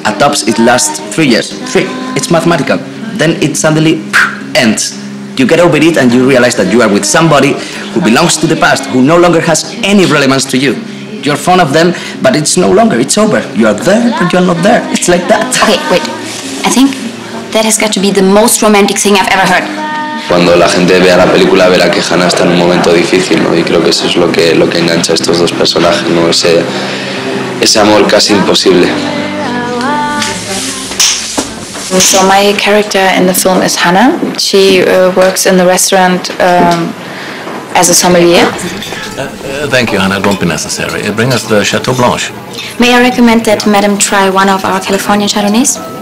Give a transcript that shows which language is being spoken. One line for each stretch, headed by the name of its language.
English: At tops, it lasts 3 years. 3. It's mathematical. Then it suddenly ends. You get over it and you realize that you are with somebody who belongs to the past, who no longer has any relevance to you. You're fond of them, but it's no longer. It's over. You are there, but you're not there. It's like that. Okay, wait. I think that has got to be the most romantic thing I've ever heard.
Spanish: Cuando la gente vea la película, verá que Hannah está en un momento difícil, ¿no? Y creo que eso es lo que engancha a estos dos personajes, ¿no? Ese amor casi imposible.
English: So my character in the film is Hannah. She works in the restaurant as a sommelier. Thank you, Hannah. It won't be necessary. Bring us the Chateau Blanche. May I recommend that Madame try one of our California Chardonnays?